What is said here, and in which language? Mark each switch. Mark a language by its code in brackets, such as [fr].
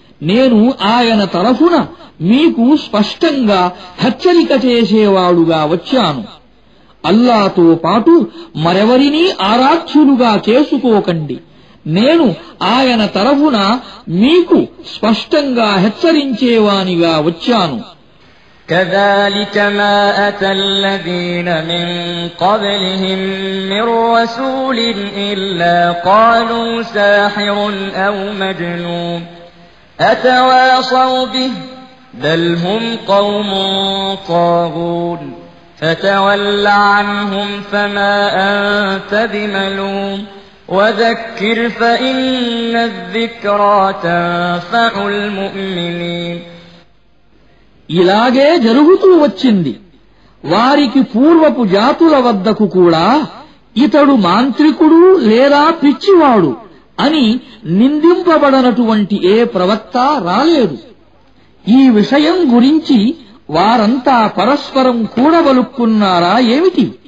[te] నేను ఆయన తరఫున మీకు స్పష్టంగా హెచ్చరిక చేసేవాడుగా వచ్చాను. అల్లాతో పాటు మరెవరినీ ఆరాధ్యులుగా చేసుకోకండి. నేను ఆయన తరఫున మీకు స్పష్టంగా హెచ్చరించేవానిగా వచ్చాను. [ar] كذلك ما أتى الذين من قبلهم من رسول إلا قالوا ساحر أو مجنون أتواصوا به بل هم قوم طاغون فتول عنهم فما أنت بملوم وذكر فإن الذكرى تنفع المؤمنين [te] ఇలాగే జరుగుతూ వచ్చింది. వారికి పూర్వపు జాతుల వద్దకు కూడా ఇతడు మాంత్రికుడు లేదా పిచ్చివాడు అని నిందింపబడనటువంటి ఏ ప్రవక్త రాలేదు. ఈ విషయం గురించి వారంతా పరస్పరం కూడవలుక్కున్నారా ఏమిటి?